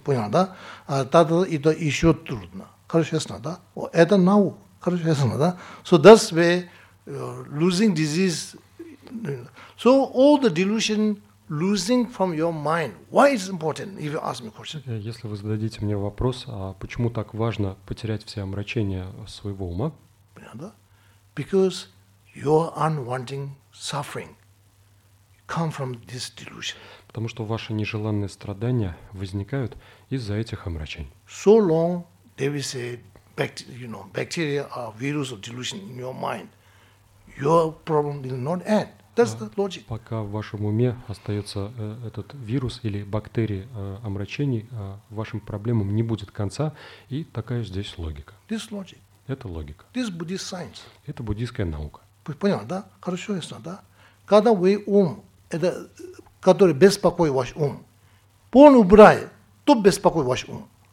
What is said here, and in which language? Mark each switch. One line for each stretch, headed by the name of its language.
Russian: Понял, да? Тогда это еще трудно. Хорошо, ясно, да? Это наука. Хорошо, ясно, да?
English: So that's where losing disease... So all the delusion... Losing from your mind. Why is it important? If you ask me a question.
Russian: Если вы зададите мне вопрос, а почему так важно потерять все омрачения своего ума? Понятно?
English: Because your unwanting suffering come from this delusion.
Russian: Потому что ваши нежеланные страдания возникают из-за этих омрачений.
English: So long there is a bacteria or virus of delusion in your mind, your problem will not end.
Russian: Пока в вашем уме остается этот вирус или бактерии омрачений, вашим проблемам не будет конца, и такая здесь логика.
English: This logic.
Russian: Это логика.
English: This Buddhist science.
Russian: Это буддийская наука. Понял, да? Хорошо, ясно, да? Когда вы ум, это, который беспокоит ваш ум, полный убирает, то беспокоит ваш ум.